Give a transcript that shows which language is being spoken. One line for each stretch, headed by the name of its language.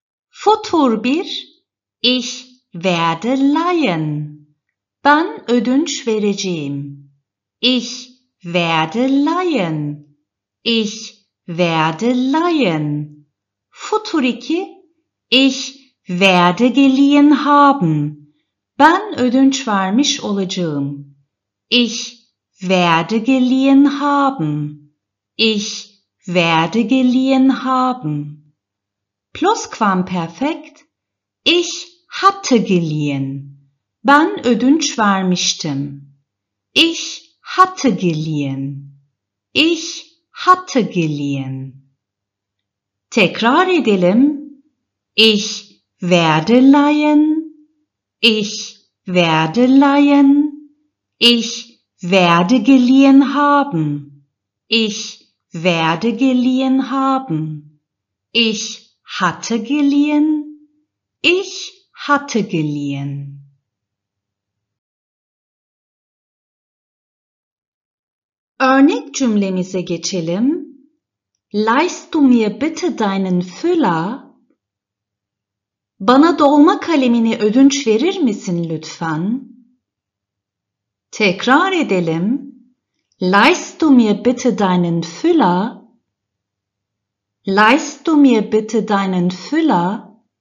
German: Futur 1, ich werde leihen.
Turkish: Ben ödünç vereceğim.
German: Ich werde leihen, ich werde leihen. Futur 2, ich werde geliehen haben.
Turkish: Ben ödünç vermiş olacağım.
German: Ich werde geliehen haben. Ich werde geliehen haben. Plusquamperfekt, ich hatte geliehen.
Turkish: Ben ödünç vermiştim.
German: Ich hatte geliehen. Ich hatte geliehen.
Turkish: Tekrar edelim.
German: Ich werde leihen. Ich werde leihen. Ich werde geliehen haben. Ich werde geliehen haben. Ich hatte geliehen. Ich hatte geliehen.
Turkish: Örnek cümlemize geçelim.
German: Leihst du mir bitte deinen Füller?
Turkish: Bana dolma kalemini ödünç verir misin lütfen? Tekrar edelim.
German: Leihst du mir bitte deinen Füller? Leihst du mir bitte deinen Füller?